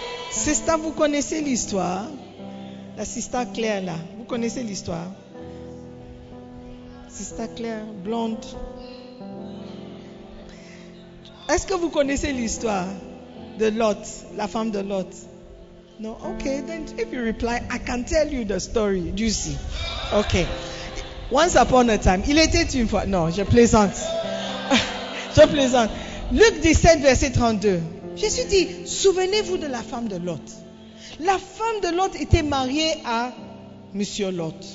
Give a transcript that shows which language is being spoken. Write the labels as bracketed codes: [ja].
[fr] Sista, vous connaissez l'histoire. La Sista Claire, là. Vous connaissez l'histoire. Sista Claire, blonde. Est-ce que vous connaissez l'histoire de Lot, la femme de Lot? Non? [en] Ok, then if you reply, I can tell you the story. Do you see? Ok. Once upon a time, [fr] il était une fois. Non, je plaisante. Je plaisante. Luc 17, verset 32. Jésus dit, souvenez-vous de la femme de Lot. La femme de Lot était mariée à Monsieur Lot.